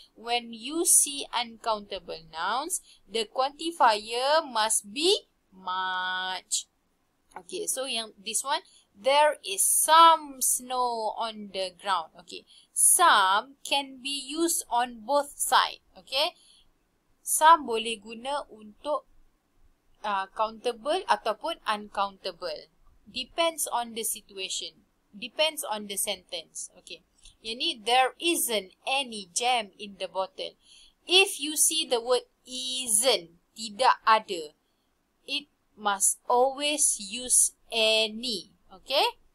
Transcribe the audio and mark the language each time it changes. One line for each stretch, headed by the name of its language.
English: When you see uncountable nouns, the quantifier must be much. Okay, so yang this one, there is some snow on the ground. Okay, some can be used on both sides. Okay, some
Malay: boleh guna untuk countable ataupun uncountable.
English: Depends on the situation. Depends on the sentence. Okay,
Malay: yang ni,
English: there isn't any jam in the bottle. If you see the word isn't,
Malay: tidak ada,
English: it must always use any. Okay?